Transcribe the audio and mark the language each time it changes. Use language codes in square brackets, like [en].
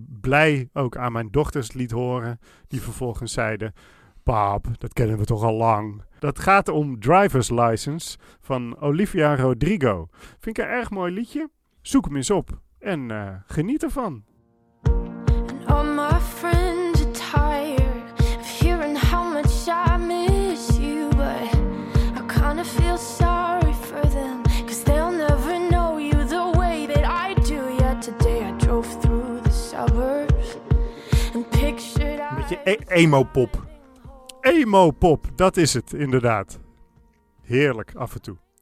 [nl] Blij ook aan mijn dochters liet horen. Die vervolgens zeiden, pap, dat kennen we toch al lang. Dat gaat om Driver's License van Olivia Rodrigo. Vind ik een erg mooi liedje. Zoek hem eens op en geniet ervan. [en] And all my friends are tired of hearing how much I miss you. But I kind of feel sorry for them. Cause they'll never know you the way that I do. Yet today I drove through the suburbs and pictured I... [nl] Beetje emo-pop. Emo-pop, dat is het inderdaad. Heerlijk af en toe.